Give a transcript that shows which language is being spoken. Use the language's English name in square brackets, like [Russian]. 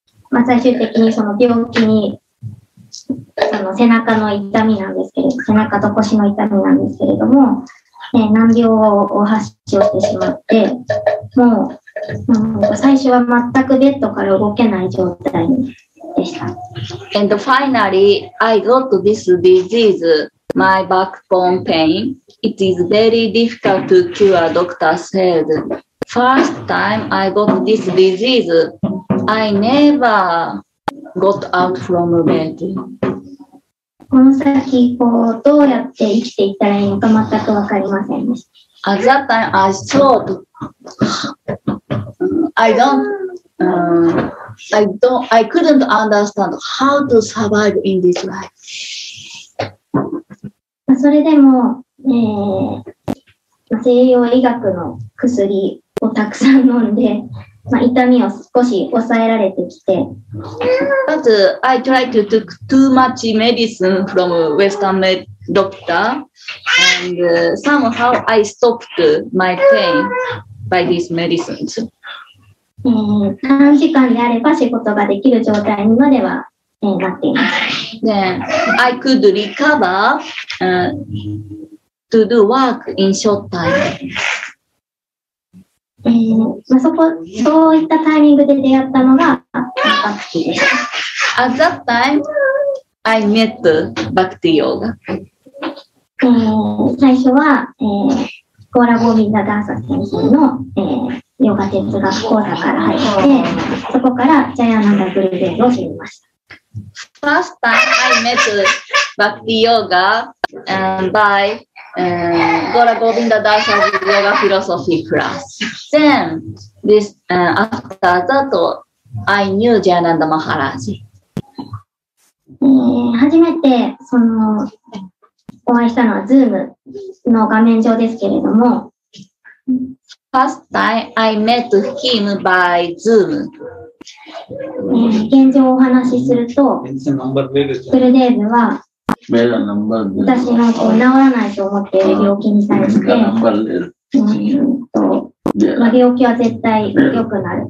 [Japanese] まあ、最終的にその病気に、その背中の痛みなんですけれど、背中と腰の痛みなんですけれども、難病を発症してしまって、もう、最初は全くベッドから動けない状態でした。 [English] And finally, I got this disease, my backbone pain. It is very difficult to cure, doctor said. First time I got this disease, I never got out from bed. [Japanese] この先こうどうやって生きていったらいいのか全く分かりませんでした。 [English] At that time, I thought, I couldn't understand how to survive in this life. [Japanese] それでも、西洋医学の薬をたくさん飲んで、まあ、痛みを少し抑えられてきて。 [English] But I tried to took too much medicine from Western med doctor, and somehow I stopped my pain by these medicines. [Japanese] 短時間であれば仕事ができる状態にまでは、なっています。 [English] Then I could recover, to do work in short time. [Japanese] まあ、そういったタイミングで出会ったのが、バクティでした。 [English] At that time, I met バクティヨーガ。 [Japanese] 最初は、コーラボミンダダーサ先生の、ヨガ哲学講座から入って、そこからジャヤナンダ・グルベルを知りました。 [English] First time I met バクティヨーガ、by Gaura Govinda Dasa's Yoga Philosophy class. Then, this, after that, I knew Jayananda Maharaj. [Japanese] 初めて、お会いしたのは Zoom の画面上ですけれども。 [English] First time I met him by Zoom. [Japanese] 現状をお話しすると、プルデーブは、私のこう治らないと思っている病気に対して、まあ、病気は絶対良くなる。